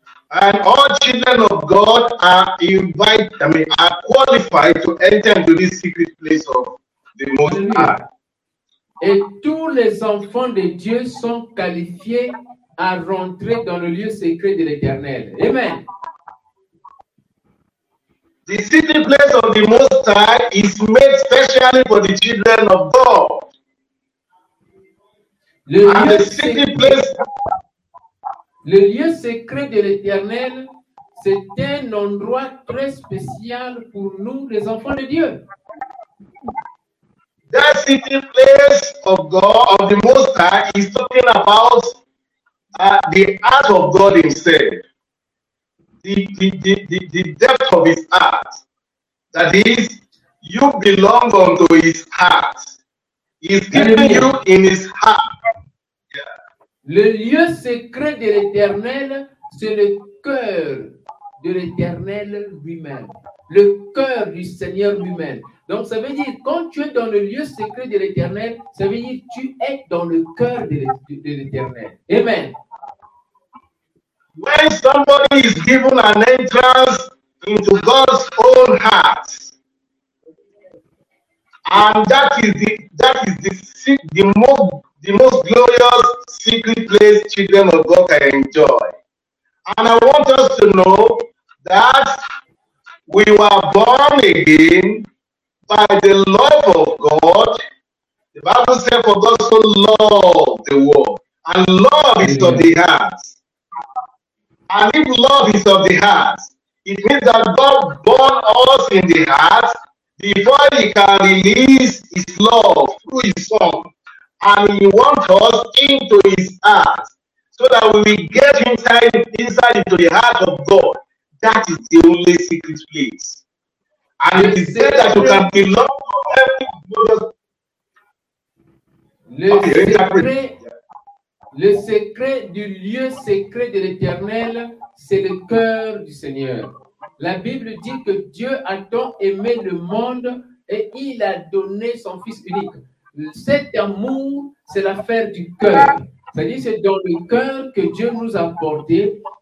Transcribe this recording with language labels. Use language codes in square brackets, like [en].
[en] And all children of God are qualified to enter into this secret place of the Most High. [fr] Et tous les enfants de Dieu sont qualifiés à rentrer dans le lieu secret de l'Éternel. Amen. [en] The secret place of the Most High is made specially for the children of God. [fr] Le lieu secret de l'Éternel, c'est un endroit très spécial pour nous, les enfants de Dieu. [en] That secret place of God, of the Most High, is talking about the heart of God Himself. The depth of His heart. That is, you belong unto His heart. He's keeping you in His heart. [fr] Le lieu secret de l'Éternel, c'est le cœur de l'Éternel lui-même. Le cœur du Seigneur lui-même. Donc, ça veut dire, quand tu es dans le lieu secret de l'Éternel, ça veut dire tu es dans le cœur de l'Éternel. Amen. [en] When somebody is given an entrance into God's own heart, and that is the most glorious secret place children of God can enjoy. And I want us to know that we were born again by the love of God. The Bible says, for God so loved the world. And love is of the heart. And if love is of the heart, it means that God born us in the heart before He can release His love through His Son. And He wants us into His heart so that we will get inside into the heart of God. That is the only secret place. And it is said that you can be loved of [fr] Le secret du lieu secret de l'Éternel, c'est le cœur du Seigneur. La Bible dit que Dieu a tant aimé le monde et il a donné son Fils unique. Cet amour, c'est l'affaire du cœur. C'est-à-dire, c'est dans le cœur que Dieu nous a porté.